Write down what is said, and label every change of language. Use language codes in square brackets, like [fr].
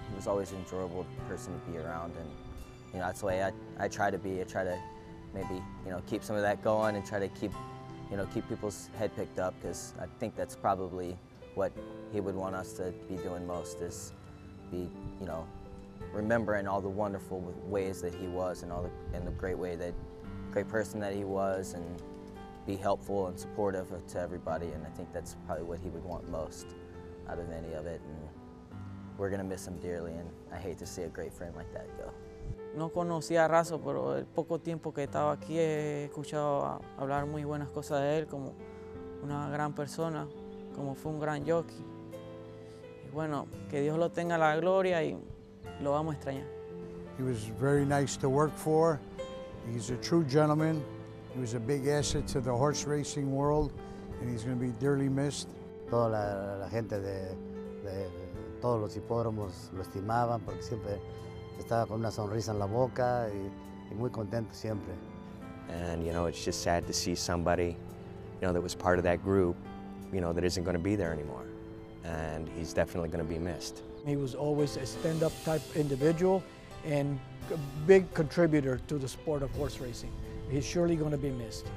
[en] He was always an enjoyable person to be around, and you know, that's the way I try to be. I try to maybe, you know, keep some of that going and try to keep, you know, keep people's head picked up, because I think that's probably what he would want us to be doing most, is be, you know, remembering all the wonderful ways that he was, and all the great person that he was, and be helpful and supportive to everybody. And I think that's probably what he would want most out of any of it. And we're gonna miss him dearly, and I hate to see a great friend like that go. [es] No conocía a Razo, pero el poco tiempo que estaba aquí he escuchado hablar muy buenas cosas de él, como una gran persona, como fue un gran jockey. Bueno, que Dios lo tenga la gloria y lo vamos a extrañar. [en] He was very nice to work for. He's a true gentleman. He was a big asset to the horse racing world, and he's going to be dearly missed. [es] Toda la gente de todos los hipódromos lo estimaban porque siempre estaba con una sonrisa en la boca y muy contento siempre. [en] And you know, it's just sad to see somebody, you know, that was part of that group, you know, that isn't going to be there anymore. And he's definitely going to be missed. He was always a stand-up type individual and a big contributor to the sport of horse racing. He's surely going to be missed.